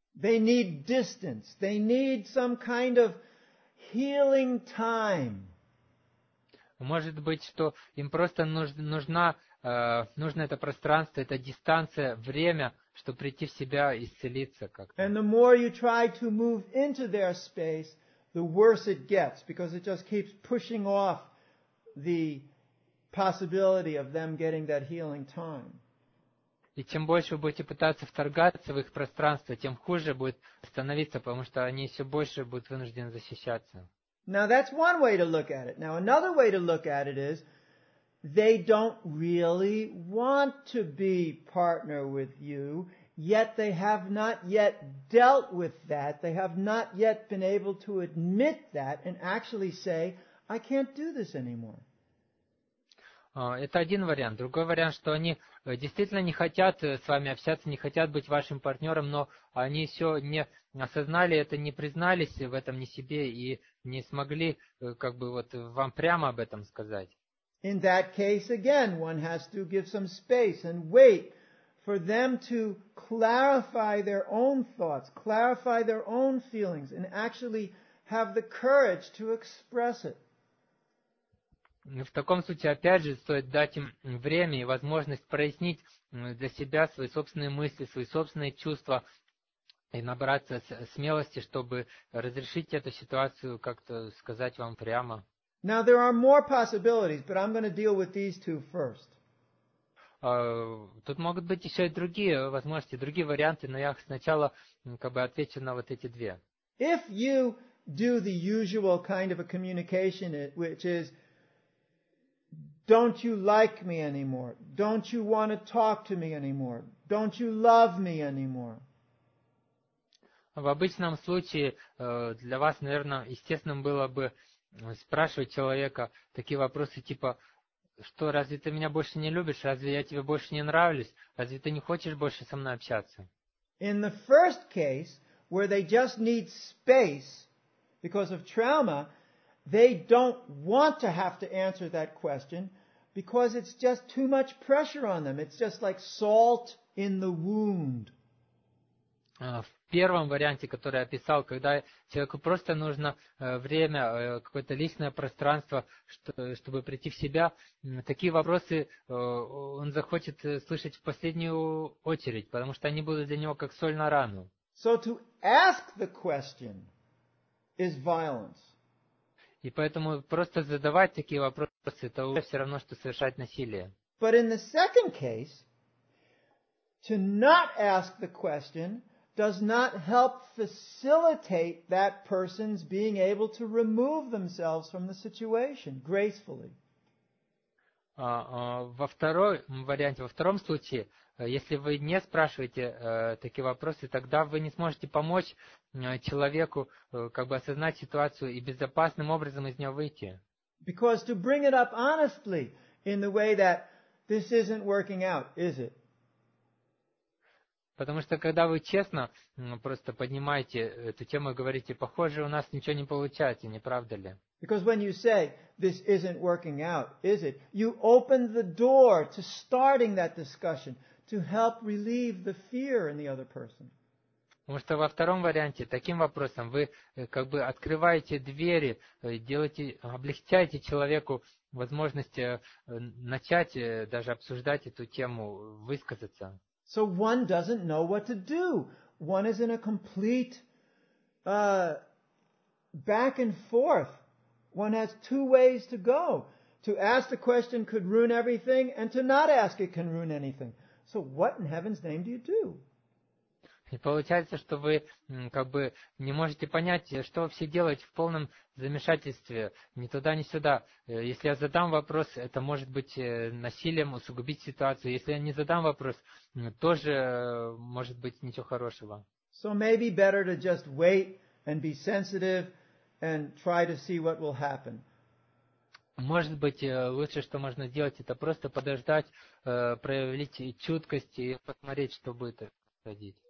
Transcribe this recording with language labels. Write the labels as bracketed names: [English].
[English] They need distance. They need some kind of healing time. [Russian] Может быть, что им просто нужно это пространство, эта дистанция, время, чтобы прийти в себя и исцелиться как-то. [English] And the more you try to move into their space, the worse it gets, because it just keeps pushing off the possibility of them getting that healing time. [Russian] И чем больше вы будете пытаться вторгаться в их пространство, тем хуже будет становиться, потому что они все больше будут вынуждены защищаться. [English] Now that's one way to look at it. Now another way to look at it is they don't really want to be partner with you, yet they have not yet dealt with that. They have not yet been able to admit that and actually say, I can't do this anymore. [Russian] Это один вариант. Другой вариант, что они действительно не хотят с вами общаться, не хотят быть вашим партнером, но они еще не осознали это, не признались в этом ни себе и не смогли как бы вот вам прямо об этом сказать. [English] In that case, again, one has to give some space and wait for them to clarify their own thoughts, clarify their own feelings, and actually have the courage to express it. [Russian] В таком случае, опять же, стоит дать им время и возможность прояснить для себя свои собственные мысли, свои собственные чувства и набраться смелости, чтобы разрешить эту ситуацию, как-то сказать вам прямо. [English] Now there are more possibilities, but I'm going to deal with these two first. [Russian] Тут могут быть еще и другие возможности, другие варианты, но я сначала как бы отвечу на вот эти две. [English] If you do the usual kind of a communication, which is, don't you like me anymore? Don't you want to talk to me anymore? Don't you love me anymore? [Russian] В обычном случае для вас, наверное, естественным было бы спрашивать человека такие вопросы, типа, что, разве ты меня больше не любишь? Разве я тебе больше не нравлюсь? Разве ты не хочешь больше со мной общаться? [English] In the first case, where they just need space because of trauma, they don't want to have to answer that question because it's just too much pressure on them. It's just like salt in the wound. [Russian] В первом варианте, который я описал, когда человеку просто нужно время, какое-то личное пространство, чтобы прийти в себя, такие вопросы он захочет слышать в последнюю очередь, потому что они будут для него как соль на рану. [English] So to ask the question is violence. [Russian] И поэтому просто задавать такие вопросы, это уже все равно, что совершать насилие. [English] But in the second case, to not ask the question does not help facilitate that person's being able to remove themselves from the situation gracefully. [Russian] Во втором варианте, во втором случае, если вы не спрашиваете такие вопросы, тогда вы не сможете помочь человеку как бы осознать ситуацию и безопасным образом из нее выйти. [English] Because to bring it up honestly in the way that this isn't working out, is it? [Russian] Потому что когда вы честно просто поднимаете эту тему и говорите, похоже, у нас ничего не получается, не правда ли? [English] Because when you say this isn't working out, is it? You open the door to starting that discussion, to help relieve the fear in the other person. [Russian] Потому что во втором варианте, таким вопросом, вы как бы открываете двери, делаете, облегчаете человеку возможность начать даже обсуждать эту тему, высказаться. [English] So one doesn't know what to do. One is in a complete back and forth. One has two ways to go. To ask the question could ruin everything, and to not ask it can ruin anything. So what in heaven's name do you do? [Russian] И получается, что вы как бы не можете понять, что вообще делать в полном замешательстве, ни туда, ни сюда. Если я задам вопрос, это может быть насилием усугубить ситуацию. Если я не задам вопрос, тоже может быть ничего хорошего. [English] So maybe better to just wait and be sensitive and try to see what will happen. [Russian] Может быть, лучше, что можно сделать, это просто подождать, проявить чуткость и посмотреть, что будет происходить.